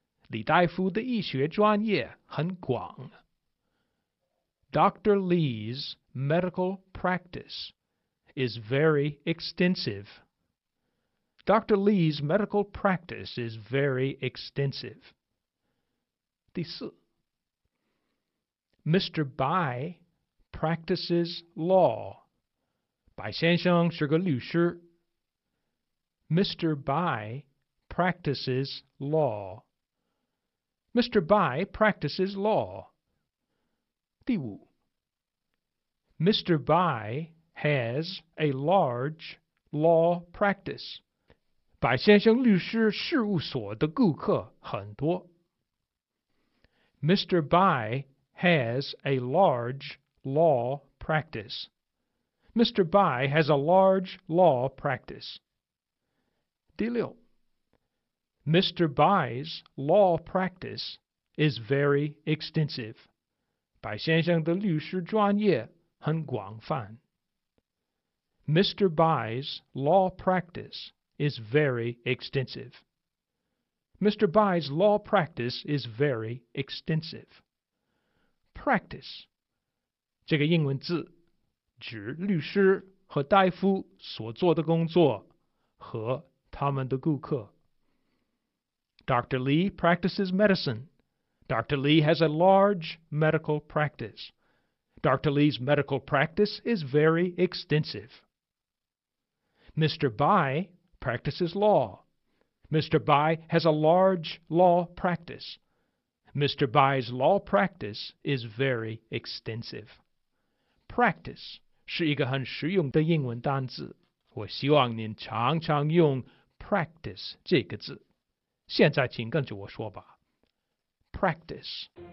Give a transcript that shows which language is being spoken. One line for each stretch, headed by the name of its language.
Chinese: 李大夫的医学专业很广。
English: Dr. Lee's medical practice is very extensive. Dr. Lee's medical practice is very extensive.
Chinese: 第四，
English: Mr. Bai practices law.
Chinese: 白先生是个律师。
English: Mr. Bai practices law. Mr. Bai practices law.
Chinese: 第五，
English: Mr. Bai has a large law practice.
Chinese: 白先生律师事务所的顾客很多。
English: Mr. Bai has a large law practice. Mr. Bai has a large law practice.
Chinese: 第六，
English: Mr. Bai's law practice is very extensive.
Chinese: 白先生的律师专业很广泛。
English: Mr. Bai's law practice is very extensive. Mr. Bai's law practice is very extensive.
Chinese: Practice 这个英文字指律师和大夫所做的工作和他们的顾客。
English: Dr. Lee practices medicine. Dr. Lee has a large medical practice. Dr. Lee's medical practice is very extensive. Mr. Bai practices law. Mr. Bai has a large law practice. Mr. Bai's law practice is very extensive.
Chinese: Practice 是一个很实用的英文单词，我希望您常常用practice 这个字。现在请跟着我说吧。practice。